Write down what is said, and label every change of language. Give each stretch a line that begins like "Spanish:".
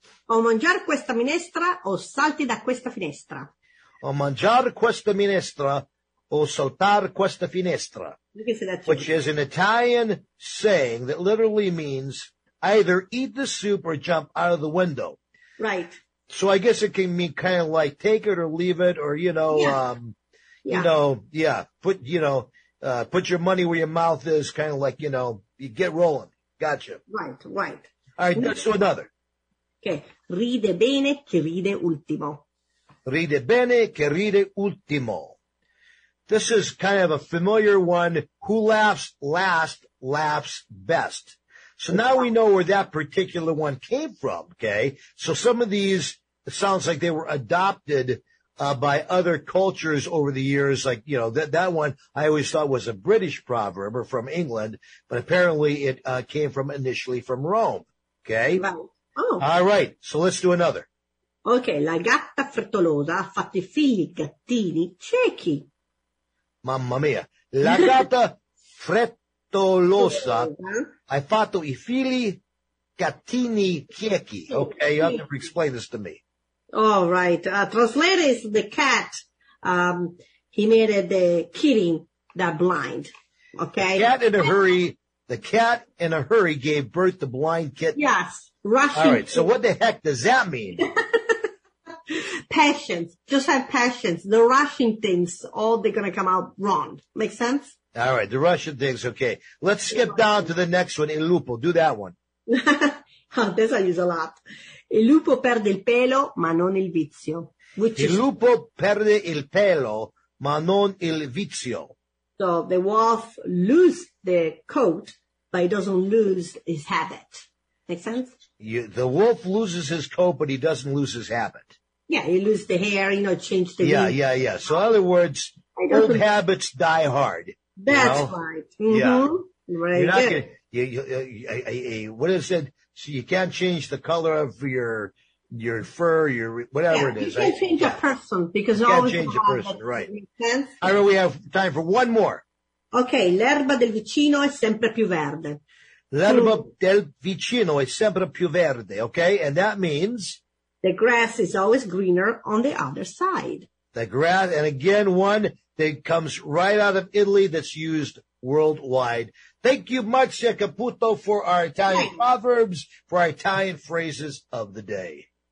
Italian: O mangiar questa minestra o salti da questa finestra. O mangiar questa minestra o saltar questa finestra.
English: Which is an Italian saying that literally means either eat the soup or jump out of the window. Right. So I guess it can mean kind of like take it or leave it or, put your money where your mouth is, kind of like, you know, you get rolling. Gotcha. Right. All right, next to another.
Italian: Okay. Ride bene che ride ultimo. Ride bene che ride ultimo.
English: This is kind of a familiar one. Who laughs last laughs best. So now we know where that particular one came from, okay? So some of these, it sounds like they were adopted by other cultures over the years. Like, you know, that one I always thought was a British proverb or from England, but apparently it came from initially from Rome, okay? Right. Oh. All right, so let's do another.
Italian: Okay, la gatta frettolosa ha fatto i figli gattini ciechi. Mamma mia. La gatta frettolosa. I fatto i figli gattini ciechi.
English: Okay, you have to explain this to me. All right. Translate is the cat. He made the kitten that blind. Okay. The cat in a hurry gave birth to blind kitten. Yes. Rushing. All right. So what the heck does that mean? Patience. Just have patience. The rushing things, all they're going to come out wrong. Make sense? All right, the Russian things, okay. Let's skip down to the next one, Il Lupo. Do that one. Oh, this I use a lot.
Italian: Il Lupo perde il pelo, ma non il vizio. Lupo perde il pelo, ma non il vizio.
English: So the wolf lose the coat, but he doesn't lose his habit. Make sense? The wolf loses his coat, but he doesn't lose his habit. Yeah, he loses the hair, you know, change the Yeah. So in other words, old habits die hard. That's right. Mm-hmm. Yeah. Right. You're not gonna, what is it? So you can't change the color of your fur, your whatever it is. You can't change a person, right. I know we have time for one more.
Italian: Okay, l'erba del vicino è sempre più verde.
English: Okay, and that means? The grass is always greener on the other side. The grass, and again, one that comes right out of Italy that's used worldwide. Thank you much, Caputo, for our Italian proverbs, for our Italian phrases of the day.